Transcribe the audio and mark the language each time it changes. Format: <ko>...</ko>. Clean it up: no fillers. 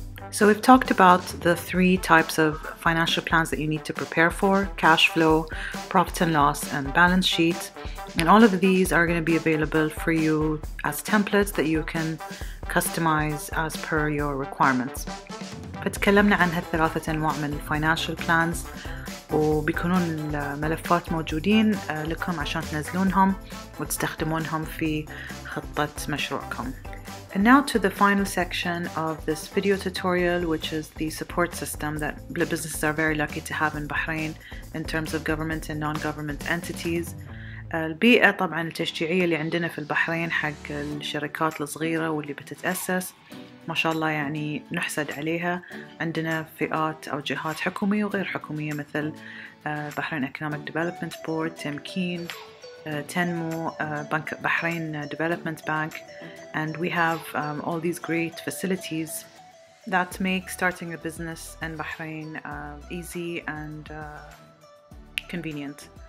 <en>So we've talked about the three types of financial plans that you need to prepare for: cash flow, profit and loss, and balance sheet. And all of these are going to be available for you as templates that you can customize as per your requirements.</en> <ar>فتكلمنا عن هالثلاثة أنواع من financial plans وبيكونون الملفات موجودين لكم عشان تنزلونهم وتستخدمونهم في خطة مشروعكم.</ar> <en>And now to the final section of this video tutorial, which is the support system that businesses are very lucky to have in Bahrain in terms of government and non-government entities.</en> <ar>البيئة طبعا التشجيعية اللي عندنا في البحرين حق الشركات الصغيرة واللي بتتأسس ما شاء الله يعني نحسد عليها. عندنا فئات أو جهات حكومية وغير حكومية مثل بحرين Economic Development Board, تمكين, تنمو, بنك بحرين</ar> <en>Development Bank, and we have all these great facilities that make starting a business in Bahrain easy and convenient.</en>